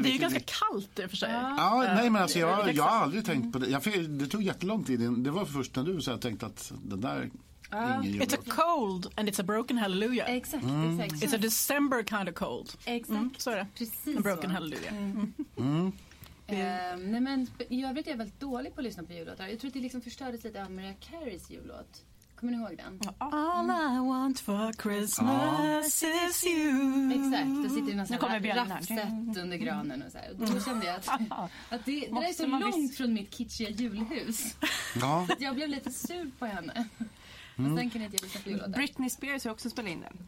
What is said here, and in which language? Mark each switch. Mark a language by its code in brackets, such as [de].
[sv] Det är ju ganska kallt i och för sig. Ja, nej, men alltså, jag har aldrig tänkt på det. Det tog jättelång tid. Det var först när du så jag tänkte att den där [en] It's a cold and it's a broken hallelujah. Exactly. Mm. Exactly. It's a December kind of cold. [sv] Exakt. Mm. Så är det. Precis. [en] A broken hallelujah. Mm. [sv] Nej, men i övrigt är jag väldigt dålig på att lyssna på jullåtar. Jag tror att det liksom förstördes lite av Mariah Careys jullåt. Kommer ni ihåg den? [en] All I want for Christmas is you. [sv] Exakt, då sitter det någon sån här raffsätt under granen och så här. Då kände jag att det är så långt från mitt kitschiga julhus. Ja. Att jag blev lite sur på henne. Mm. Sen kan jag inte lyssna på jullåtar. Britney Spears har också spelat in den.